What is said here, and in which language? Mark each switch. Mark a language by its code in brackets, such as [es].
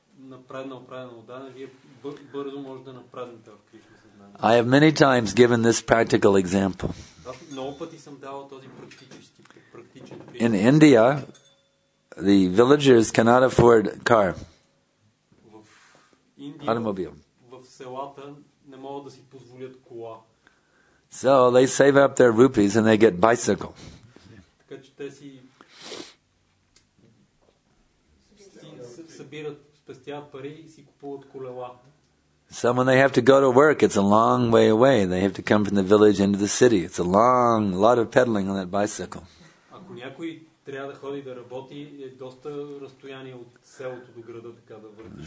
[bg] напреднал правилно да, вие бързо може да напреднете в Кришна съзнание. [en] I have many times given this practical example. [bg] Много пъти съм давал този практически практичен пример. [en] In India, the villagers cannot afford car. [bg] В Индия, automobile. В селата не могат да си позволят кола. [en] So they save up their rupees and they get bicycle. [bg] Така че те си събират, спестяват пари и си купуват колела. [en] So when they have to go to work, it's a long way away. They have to come from the village into the city. It's a long, lot of pedaling on that bicycle. [bg] Ако някой трябва да ходи да работи, е доста разстояние от селото до града така да върви.